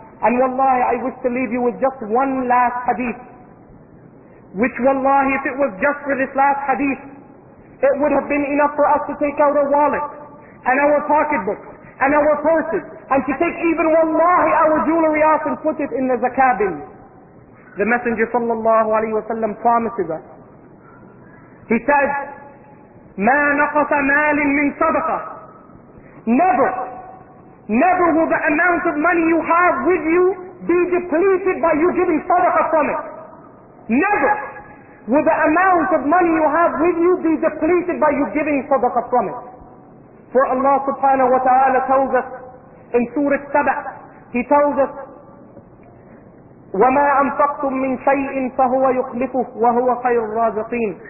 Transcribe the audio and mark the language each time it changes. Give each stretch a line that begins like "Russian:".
English: And wallahi, I wish to leave you with just one last hadith, which wallahi, if it was just for this last hadith, it would have been enough for us to take out our wallet and our pocketbooks and our purses, and to take even wallahi our jewelry off and put it in the zakah bin. The Messenger sallallahu alayhi wa sallam promises us. He said,
Arabic: مَا نَقَصَ مَالٍ مِّن صَدَقَةٍ.
English: Never, never will the amount of money you have with you be depleted by you giving sadaqah from it. Never will the amount of money you have with you be depleted by you giving sadaqah from it. For Allah subhanahu wa ta'ala tells us in Surah Saba, He tells us,
Arabic: وَمَا أَنْفَقْتُمْ مِنْ شَيْءٍ فَهُوَ يُخْلِفُهُ وَهُوَ خَيْرُ الرَّازِقِينَ.